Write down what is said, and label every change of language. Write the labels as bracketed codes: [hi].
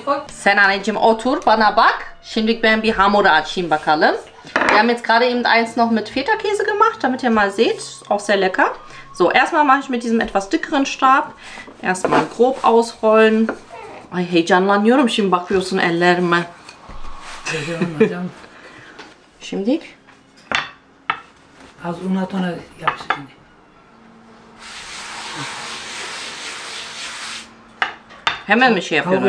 [tr] Sen anneciğim otur bana bak. Şimdi ben bir hamuru açayım bakalım. [de] Wir haben jetzt gerade eben eins noch mit Feta-Käse gemacht, damit ihr mal seht. Auch sehr lecker. So, erstmal mache ich mit diesem etwas dickeren Stab. Erstmal grob ausrollen. [tr] Ay heyecanlanıyorum şimdi bakıyorsun ellerime. Şimdi? Az un atana yapıştırın. Hemen mi şey yapıyorsun?